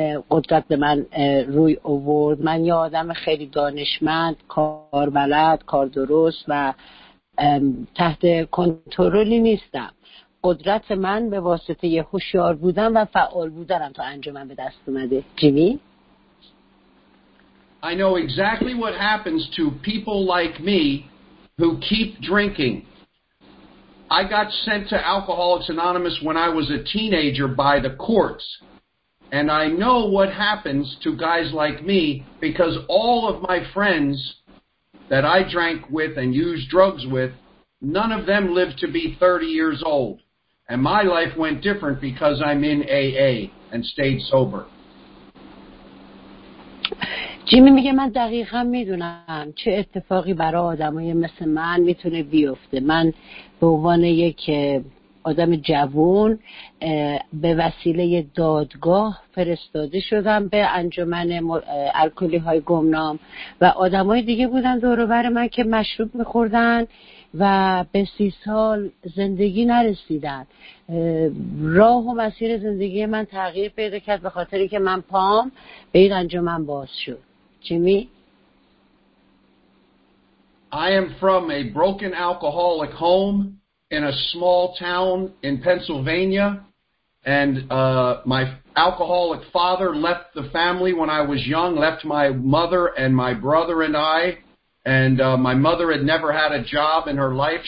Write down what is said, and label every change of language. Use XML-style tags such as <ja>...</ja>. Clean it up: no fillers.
<fa>قدرت به من روی آورد. من یه آدم خیلی دانشمند، کار بلد، کار درست و تحت کنترلی نیستم. قدرت من به واسطه یه هوشیار بودم و فعال بودنم تا انجمن به دست اومده. جیمی؟</fa> <en>I know exactly what happens to people like me who keep drinking. I got sent to Alcoholics Anonymous when I was a teenager by the courts. And I know what happens to guys like me because all of my friends that I drank with and used drugs with, none of them lived to be 30 years old. And my life went different because I'm in AA and stayed sober.</en> <fa>جیمی میگه من دقیقا میدونم چه اتفاقی برای آدم های مثل من میتونه بیفته. من به عنوان یک آدم جوان به وسیله دادگاه فرستاده شدم به انجمن الکلی های گمنام و آدم های دیگه بودن دوروبر من که مشروب میخوردن و به 30 سال زندگی نرسیدن. راه و مسیر زندگی من تغییر پیدا کرد به خاطر اینکه من پام به این انجمن باز شد.</fa> <en>Jimmy? I am from a broken alcoholic home in a small town in Pennsylvania, and my alcoholic father left the family when I was young, left my mother and my brother and I, and my mother had never had a job in her life.</en>